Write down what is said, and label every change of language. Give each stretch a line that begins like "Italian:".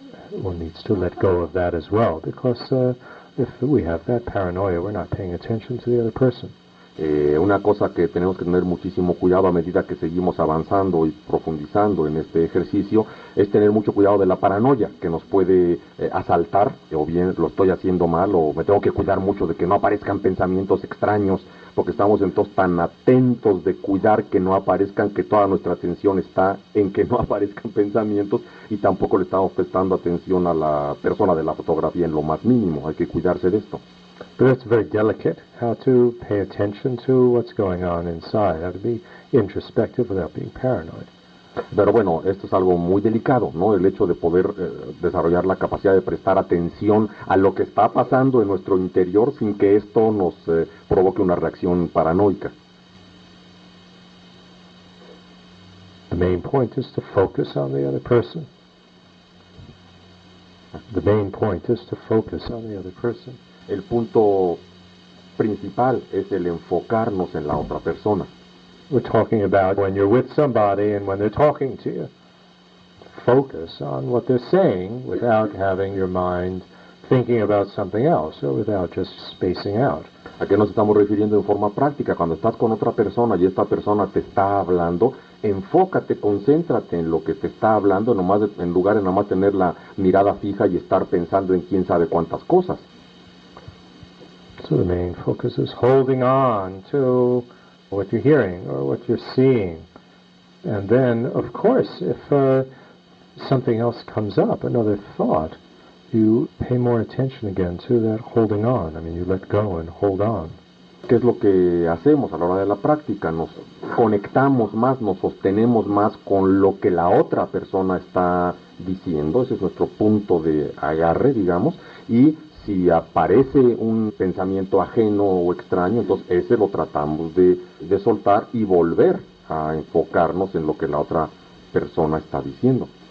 English: One needs to let go of that as well, because if we have that paranoia, we're not paying attention to the other person.
Spanish: Una cosa que tenemos que tener muchísimo cuidado a medida que seguimos avanzando y profundizando en este ejercicio es tener mucho cuidado de la paranoia que nos puede asaltar, o bien lo estoy haciendo mal, o me tengo que cuidar mucho de que no aparezcan pensamientos extraños, porque estamos entonces tan atentos de cuidar que no aparezcan, que toda nuestra atención está en que no aparezcan pensamientos, y tampoco le estamos prestando atención a la persona de la fotografía en lo más mínimo. Hay que cuidarse de esto.
English: But it's very delicate how to pay attention to what's going on inside, how to be introspective without being paranoid.
Spanish: Pero bueno, esto es algo muy delicado, ¿no? El hecho de poder desarrollar la capacidad de prestar atención a lo que está pasando en nuestro interior sin que esto nos provoque una reacción paranoica.
English: The main point is to focus on the other person. The main point is to focus on the other person.
Spanish: El punto principal es el enfocarnos en la otra persona.
English: We're talking about when you're with somebody and when they're talking to you. Focus on what they're saying without having your mind thinking about something else, or without just spacing out.
Spanish: ¿A qué nos estamos refiriendo en forma práctica? Cuando estás con otra persona y esta persona te está hablando, enfócate, concéntrate en lo que te está hablando, nomás en lugar de nomás tener la mirada fija y estar pensando en quién sabe cuántas cosas.
English: So the main focus is holding on to what you're hearing or what you're seeing. And then, of course, if something else comes up, another thought, you pay more attention again to that holding on. I mean, you let go and hold on.
Spanish: ¿Qué es lo que hacemos a la hora de la práctica? Nos conectamos más, nos sostenemos más con lo que la otra persona está diciendo. Ese es nuestro punto de agarre, digamos. Y si aparece un pensamiento ajeno o extraño, entonces ese lo tratamos de soltar y volver a enfocarnos en lo que la otra persona está diciendo.